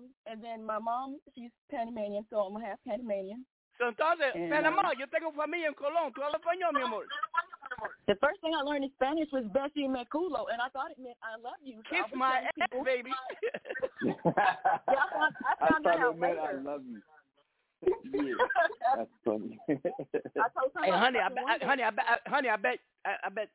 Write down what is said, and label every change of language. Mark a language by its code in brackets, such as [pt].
[en] And then my mom, she's Panamanian, so I'm half Panamanian. So [es] entonces, Panama, yo tengo familia en Colón. ¿Tú hablas español, mi amor? [en] The first thing I learned in Spanish was [es] Bessie me culo, [en] and I thought it meant I love you. So kiss my ass, people, baby. I found that out later. I love you. Yeah, that's funny. Honey, I bet